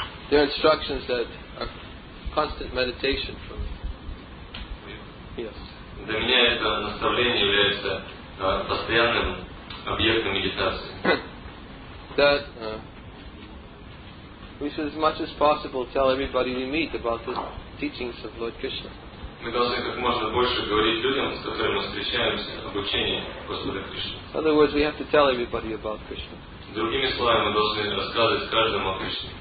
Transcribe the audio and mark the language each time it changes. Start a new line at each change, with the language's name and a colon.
English: There are instructions that are constant meditation from him. Yes.
Russian: Для меня это наставление является постоянным объектом медитации.
English: That we should as much as possible tell everybody we meet about the teachings of Lord Krishna.
Russian: Мы должны как можно больше говорить людям, с которыми мы встречаемся, об учении Господа Кришны.
English: In other words, we have to tell everybody about Krishna.
Russian: Другими словами, мы должны рассказывать каждому о Кришне.